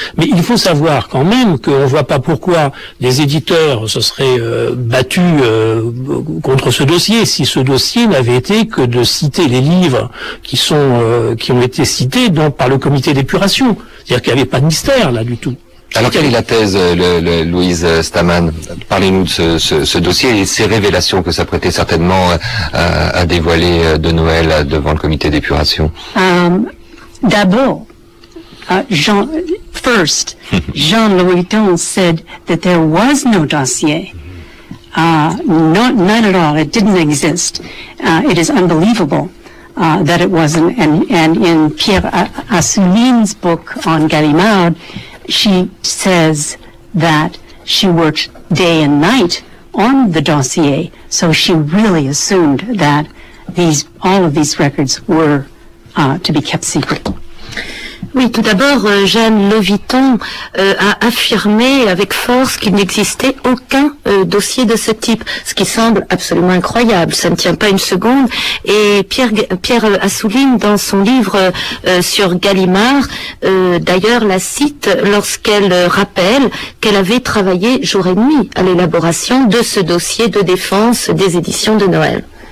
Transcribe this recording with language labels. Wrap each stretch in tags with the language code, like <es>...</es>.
<fr>Mais il faut savoir quand même qu'on ne voit pas pourquoi les éditeurs se seraient battus contre ce dossier, si ce dossier n'avait été que de citer les livres qui ont été cités par le comité d'épuration. C'est-à-dire qu'il n'y avait pas de mystère là du tout. Alors quelle est la thèse, Louise Stamann? Parlez-nous de ce dossier et ces révélations que s'apprêtait certainement à dévoiler De Noël devant le comité d'épuration. D'abord,</fr> <en>Jean Louis Vuitton said that there was no dossier. None at all. It didn't exist. It is unbelievable that it wasn't. And in Pierre Assouline's book on Gallimard, she says that she worked day and night on the dossier, so she really assumed that all of these records were to be kept secret.</en> <fr>Oui, tout d'abord, Jeanne Loviton a affirmé avec force qu'il n'existait aucun dossier de ce type, ce qui semble absolument incroyable. Ça ne tient pas une seconde. Et Pierre Assouline, dans son livre sur Gallimard, d'ailleurs, la cite lorsqu'elle rappelle qu'elle avait travaillé jour et nuit à l'élaboration de ce dossier de défense des éditions de Noël.</fr>